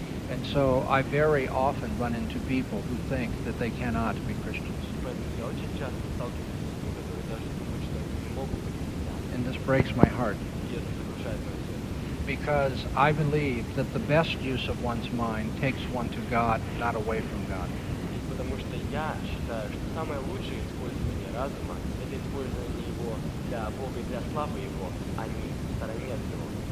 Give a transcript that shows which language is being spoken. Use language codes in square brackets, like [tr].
[en] And so I very often run into people who think that they cannot be Christians. [ru] которые я очень часто сталкиваюсь с людьми, которые даже думают, что они не могут быть христианами. [en] And this breaks my heart. [ru] И это разрушает мое сердце. [en] Because I believe that the best use of one's mind takes one to God, not away from God. [ru] Ведь потому что я считаю, что самое лучшее использование разума — это использование его для Бога и для славы Его, а не в стороне от Него.